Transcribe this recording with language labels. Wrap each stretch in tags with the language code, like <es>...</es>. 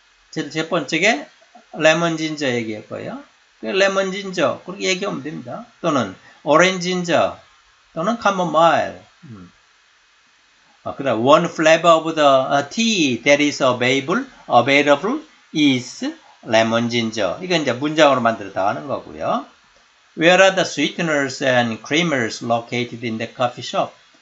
<ko>첫 번째 게 레몬 진저 얘기했고요. 그 레몬 진저 그렇게 얘기하면 됩니다. 또는 오렌지 진저 또는 카모마일.</ko> <en>그다음 one flavor of the tea that is available is lemon ginger.</en> <ko>이거 이제 문장으로 만들어 다 하는 거고요.</ko> <en>Where are the sweeteners and creamers located in the coffee shop?</en>